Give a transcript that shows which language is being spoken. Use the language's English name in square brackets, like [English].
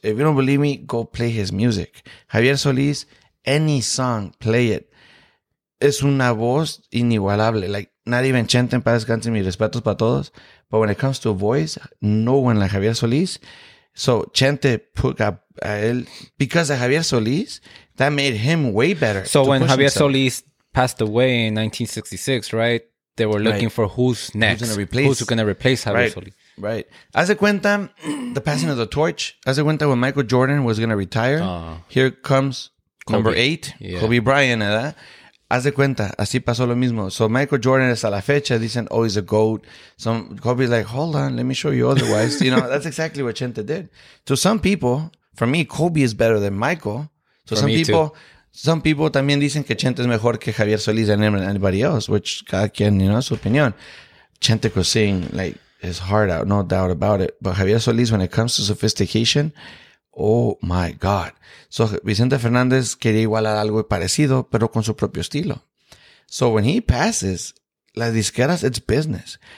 [English] If you don't believe me, go play his music. Javier Solís, any song, play it. [Spanish] es una voz inigualable. Like, nadie me enchente en paz, descanse, mis respetos para todos. [English] But when it comes to voice, no one like Javier Solís. So, Chente put a él, because of Javier Solís, that made him way better. So, when Javier Solís passed away in 1966, right? They were looking for who's next. Who's going to replace Javier Solís. Right. [Spanish] Haz de cuenta, [English] the passing of the torch. Haz de cuenta when Michael Jordan was going to retire. Here comes Kobe. Number 8, yeah. Kobe Bryant, ¿verdad? [Spanish] Haz de cuenta, así pasó lo mismo. So, Michael Jordan hasta la fecha, dicen, [English] oh, he's a GOAT. So, Kobe's like, hold on, let me show you otherwise. You know, that's exactly what Chente did. To some people, for me, Kobe is better than Michael. So, for some people, too. Some people [Spanish] también dicen que Chente es mejor que Javier Solís [English] and anybody else, which [Spanish] cada quien, [English] you know, [Spanish] su opinión. [English] Chente could sing, like, his heart out, no doubt about it. But Javier Solís, when it comes to sophistication, oh my God. [Spanish] So Vicente Fernandez quería igualar algo parecido, pero con su propio estilo. [English] So when he passes, [Spanish] las disqueras, [English] it's business.